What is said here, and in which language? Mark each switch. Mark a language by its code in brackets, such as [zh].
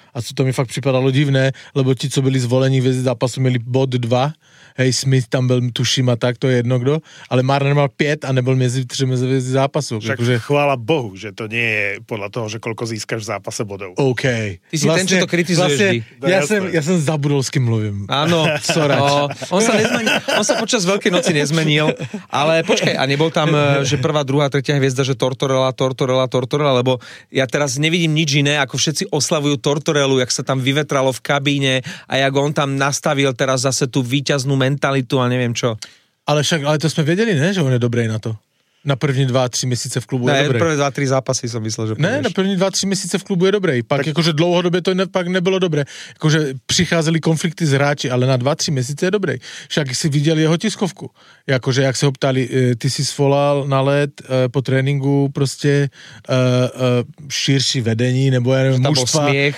[sk] A to mi fakt pripadalo divné, lebo ti, co byli zvolení hviezdy zápasu, mieli bod 2. Hej, Smith tam byl, tuším, a tak, to je jedno kdo. Ale Marner mal 5 a nebyl mezi 3 hviezdy zápasu. Však takže... chvála Bohu, že to nie je podľa toho, že koľko získaš v zápase bodov. OK. Ty si vlastne, ten, čo to kritizuješ. Vlastne, ja som zabudol, s kým mluvím. Áno. Sorač. No, on sa počas Veľkej noci nezmenil, ale počkaj, a nebol tam, že prvá, druhá, tretia hviezda, že Tortorella, lebo ja teraz nevidím nič iné, ako všetci oslavujú Tortorellu, jak sa tam vyvetralo v kabíne a jak on tam nastavil teraz zase tú víťaznú mentalitu a neviem čo. Ale to sme vedeli, ne, že on je dobrý na to. [cs] Na první 2-3 měsíce v klubu, ne, je dobrý. Ne, prvé 2-3 zápasy jsem myslel, že ne, na první 2-3 měsíce v klubu je dobrý. Pak tak... jakože dlouhodobě to pak nebylo dobré. Jakože přicházely konflikty s hráči, ale na 2-3 měsíce je dobrý. Však jsi viděl jeho tiskovku. Jakože jak se ho ptali, ty jsi svolal na led po tréninku prostě širší vedení, nebo já nevím, mužstva.